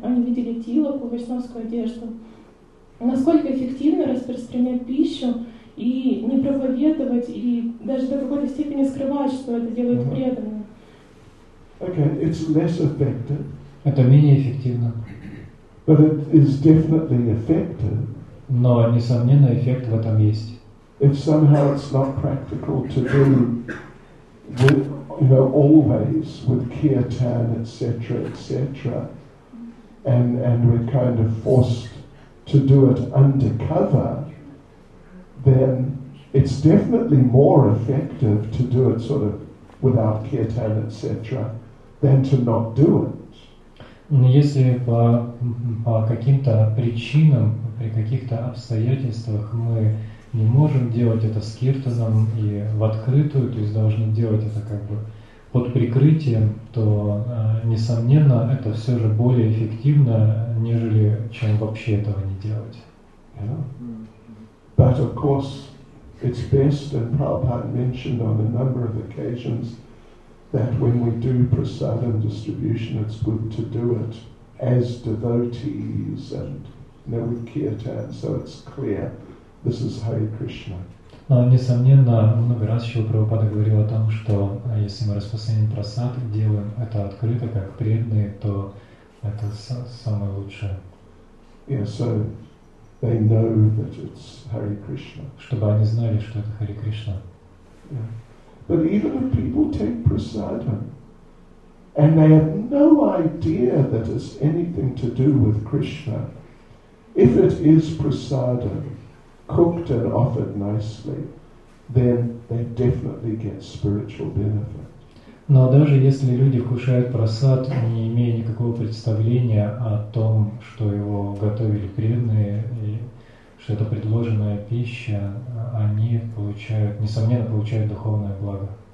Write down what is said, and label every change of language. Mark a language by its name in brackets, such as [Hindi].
[Russian] Они видели тилаку, вайшнавскую одежду. Насколько эффективно распространять пищу и не проповедовать, и даже до какой-то степени скрывать, что это делают преданные? [English] Okay, it's less effective. [Russian] Это менее эффективно. [English] But it is definitely effective. [Russian] Но, несомненно, эффект в этом есть. [English] If somehow it's not practical to do with, you know, always with kirtan, etc., etc., and we're kind of forced to do it undercover, then it's definitely more effective to do it sort of without kirtan, etc., than to not do it. [Russian] Но если по каким-то причинам, при каких-то обстоятельствах мы не можем делать это с киртаном и в открытую, то есть должны делать это как бы под прикрытием, то, несомненно, это все же более эффективно, нежели чем вообще этого не делать. [English] Yeah. But of course, it's best, and Prabhupada mentioned on a number of occasions, that when we do prasadam distribution, it's good to do it as devotees and, you know, with kirtan, so it's clear. This is Hare Krishna. [Russian] Но, несомненно, много раз Шрила Прабхупада говорил о том, что если мы распространяем прасад, делаем это открыто, как преданные, то это самое лучшее. [English] Yeah, so they know that it's Hare Krishna. [Russian] Чтобы они знали, что это Hare Krishna. [English] Yeah. But even if people take prasadam, and they have no idea that it's anything to do with Krishna, if it is prasadam, cooked and offered nicely, then they definitely get spiritual benefit. [Russian] Но даже если люди вкушают просад, не имея никакого представления о том, что его готовили преданные, и что это предложенная пища, они получают, несомненно, получают духовное благо.